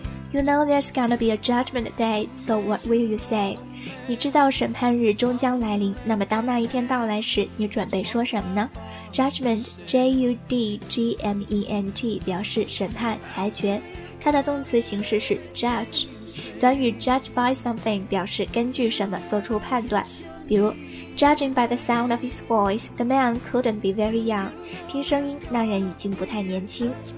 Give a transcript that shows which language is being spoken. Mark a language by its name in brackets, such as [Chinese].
[English] You know there's gonna be a judgment day, so what will you say? [Chinese] 你知道审判日终将来临，那么当那一天到来时，你准备说什么呢？ Judgment, J-U-D-G-M-E-N-T 表示审判、裁决，它的动词形式是 judge。短语 [English] judge by something [Chinese] 表示根据什么做出判断。比如 [English] Judging by the sound of his voice, the man couldn't be very young. [Chinese] 听声音，那人已经不太年轻。